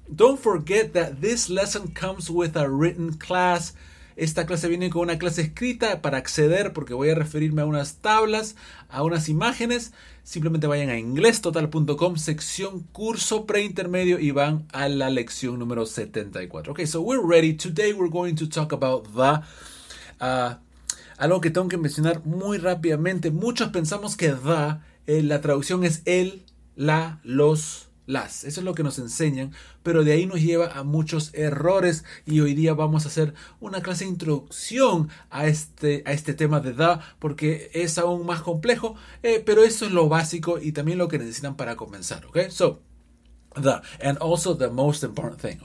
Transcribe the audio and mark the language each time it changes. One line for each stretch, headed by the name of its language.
English: Don't forget that this lesson comes with a written class.
Spanish: Esta clase viene con una clase escrita para acceder, porque voy a referirme a unas tablas, a unas imágenes. Simplemente vayan a inglestotal.com, sección curso preintermedio, y van a la lección número 74.
English: Okay, so we're ready. Today we're going to talk about the...
Spanish: algo que tengo que mencionar muy rápidamente. Muchos pensamos que the, la traducción es el, la, los, las. Eso es lo que nos enseñan, pero de ahí nos lleva a muchos errores. Y hoy día vamos a hacer una clase de introducción a este tema de the, porque es aún más complejo. Pero eso es lo básico y también lo que necesitan para comenzar.
English: Ok, so, the, and also the most important thing.